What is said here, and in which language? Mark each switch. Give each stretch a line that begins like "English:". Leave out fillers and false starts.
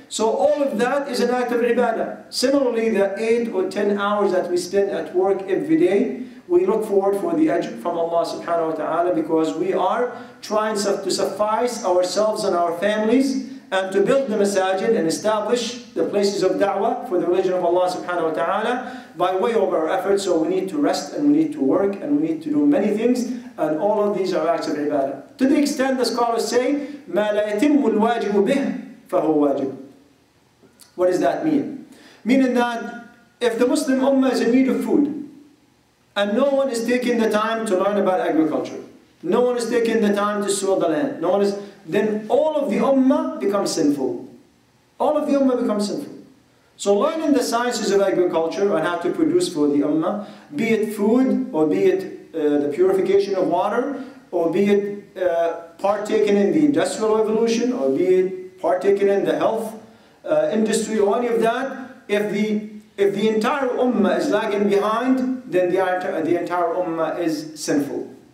English: So all of that is an act of ibadah. Similarly, the 8 or 10 hours that we spend at work every day, we look forward for the ajr from Allah subhanahu wa ta'ala, because we are trying to suffice ourselves and our families, and to build the masajid and establish the places of da'wah for the religion of Allah subhanahu wa ta'ala by way of our efforts. So we need to rest and we need to work and we need to do many things. And all of these are acts of ibadah. To the extent the scholars say,
Arabic: مَا لَا يَتِمُّ الْوَاجِبُ بِهِ فَهُوَ وَاجِبُ.
English: What does that mean? Meaning that if the Muslim ummah is in need of food and no one is taking the time to learn about agriculture, no one is taking the time to sow the land, no one is, then all of the ummah becomes sinful. All of the ummah becomes sinful. So learning the sciences of agriculture and how to produce for the ummah, be it food, or be it the purification of water, or be it partaking in the industrial revolution, or be it partaking in the health industry, or any of that, if the entire ummah is lagging behind, then the entire ummah is sinful.